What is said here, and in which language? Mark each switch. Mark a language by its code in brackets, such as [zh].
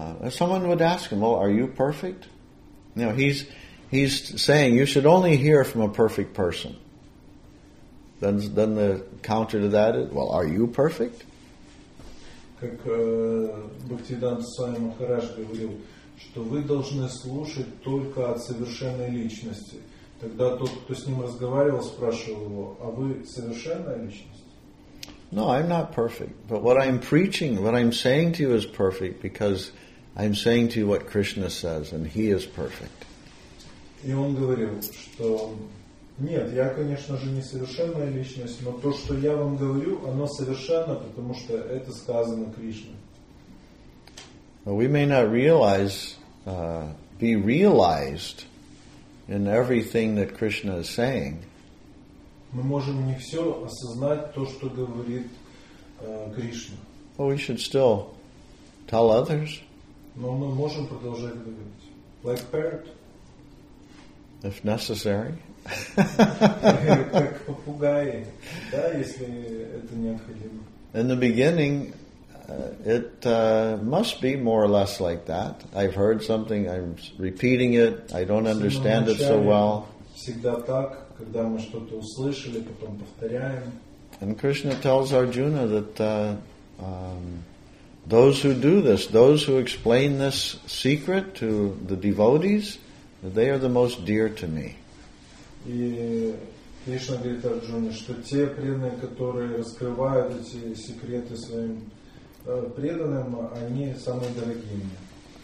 [en] Someone would ask him, "Well, are you perfect?" You know, he's saying you should only hear from a perfect person. Then the counter to that is, "Well, are you perfect?" [ru] Как Бхактивиданта Свами Махарадж говорил, что вы должны слушать только от совершенной личности. Тогда тот, кто с ним разговаривал, спрашивал его, а вы совершенная личность? [en] No, I'm not perfect. But what I'm preaching, what I'm saying to you is perfect because I'm saying to you what Krishna says and he is perfect. [ru] И он говорил, что нет, я, конечно же, не совершенная личность, но то, что я вам говорю, оно совершенно, потому что это сказано Кришной. [en] Well, we may not realize, be realized in everything that Krishna is saying. [ru] Мы можем не все осознать то, что говорит Кришна. [en] But we should still tell others. [ru] Но мы можем продолжать говорить. [en] Like parrot. If necessary. [ru] Как попугаи, да, если это необходимо. [en] In the beginning, it must be more or less like that. I've heard something, I'm repeating it, I don't understand it so well. [ru] Всегда так, когда мы что-то услышали, потом повторяем. [en] And Krishna tells Arjuna that those who do this, those who explain this secret to the devotees, they are the most dear to me. [ru] И Кришна говорит Арджуне, что те преданные, которые раскрывают эти секреты своим преданным, они самые дорогие мне.